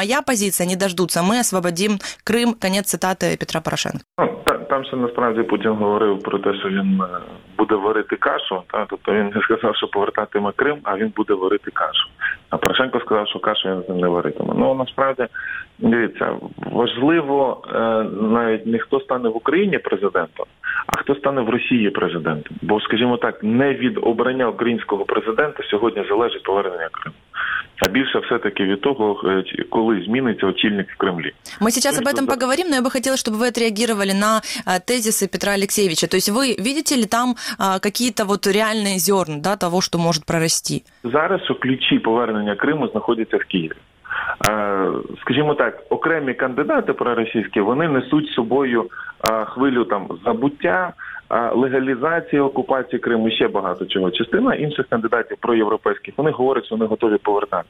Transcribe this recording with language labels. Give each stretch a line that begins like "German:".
Russian: Моя позиция, не дождутся, мы освободим Крым. Конец цитаты Петра Порошенко.
Ukrainian: Там ще насправді Путін говорив про те, що він буде варити кашу. Та? Тобто він не сказав, що повертатиме Крим, а він буде варити кашу. А Порошенко сказав, що кашу він не варитиме. Ну, насправді, дивіться, важливо, навіть не хто стане в Україні президентом, а хто стане в Росії президентом. Бо, скажімо так, не від обрання українського президента сьогодні залежить повернення Криму.
Russian: А больше все-таки от того, когда изменится очильник в Кремле. Мы сейчас об этом поговорим, но я бы хотела, чтобы вы отреагировали на тезисы Петра Алексеевича. То есть вы видите ли там какие-то вот реальные зерна, да, того, что может прорасти?
Ukrainian: Зараз у ключи повернення Криму знаходяться в Києві.
Russian: Скажем так,
Ukrainian: окремі кандидати проросійські, вони несуть собою хвилю там забуття, легалізації окупації Криму, ще багато чого. Частина інших кандидатів проєвропейських, вони говорять, що вони готові повертати.